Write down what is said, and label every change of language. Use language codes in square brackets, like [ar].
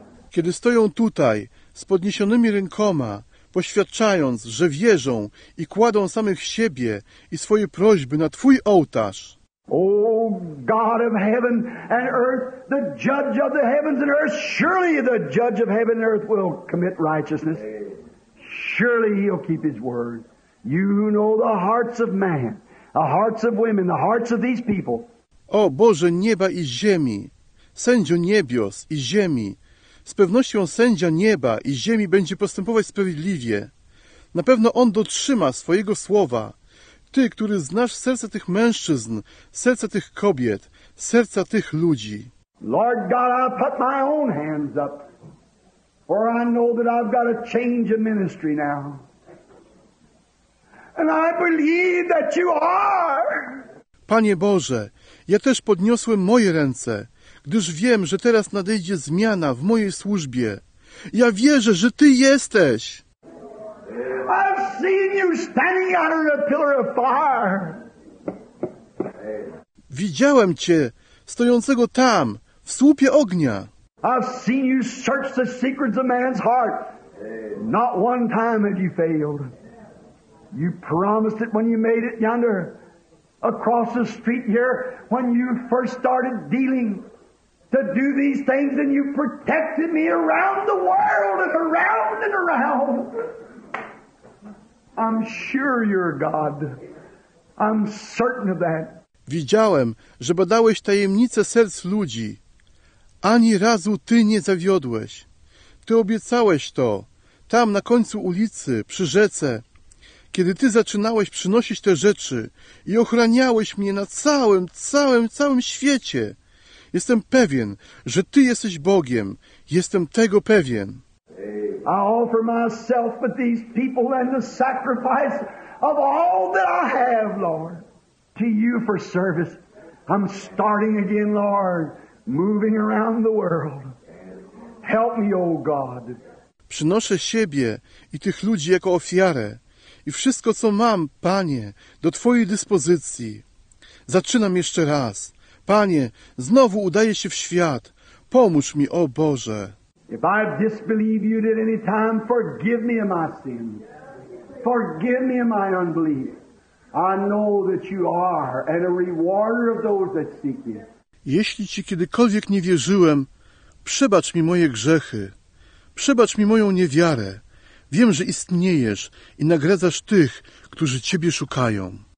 [pl] Kiedy stoją tutaj z podniesionymi rękoma, poświadczając, że wierzą i kładą samych siebie i swoje prośby na Twój ołtarz. [en] O God of heaven and earth, the judge of the heavens and earth, surely the judge of heaven and earth will commit righteousness. Surely He'll keep His word. You know the hearts of man, the hearts of women, the hearts of these people. [pl] O Boże nieba i ziemi, Sędzio niebios i ziemi, z pewnością Sędzia nieba i ziemi będzie postępować sprawiedliwie. Na pewno On dotrzyma swojego słowa. Ty, który znasz serce tych mężczyzn, serce tych kobiet, serca tych ludzi. [en] Lord God, I put my own hands up, for I know that I've got a change of ministry now. And I believe that You are. [pl] Panie Boże, ja też podniosłem moje ręce, gdyż wiem, że teraz nadejdzie zmiana w mojej służbie. Ja wierzę, że Ty jesteś. [en] I've seen You standing under a pillar of fire. [pl] Widziałem Cię stojącego tam, w słupie ognia. [en] I've seen You search the secrets of man's heart. Not one time have You failed. You promised it when You made it yonder, across the street here, when You first started dealing. To do these things, and You protected me around the world and around and around. I'm sure You're God. I'm certain of that. [pl] Widziałem, że badałeś tajemnice serc ludzi. Ani razu Ty nie zawiodłeś. Ty obiecałeś to, tam na końcu ulicy, przy rzece, kiedy Ty zaczynałeś przynosić te rzeczy i ochraniałeś mnie na całym świecie. Jestem pewien, że Ty jesteś Bogiem. Jestem tego pewien. [en] I offer myself but these people and the sacrifice of all that I have, Lord, to you for service. I'm starting again, Lord, moving around the world. Help me, O God. [pl] Przynoszę siebie i tych ludzi jako ofiarę i wszystko, co mam, Panie, do Twojej dyspozycji. Zaczynam jeszcze raz. Panie, znowu udaję się w świat. Pomóż mi, O Boże. [en] If I disbelieve you at any time, forgive me of my sin. Forgive me of my unbelief. I know that you are and a rewarder of those that seek you. [pl] Jeśli Ci kiedykolwiek nie wierzyłem, przebacz mi moje grzechy. Przebacz mi moją niewiarę. Wiem, że istniejesz i nagradzasz tych, którzy Ciebie szukają.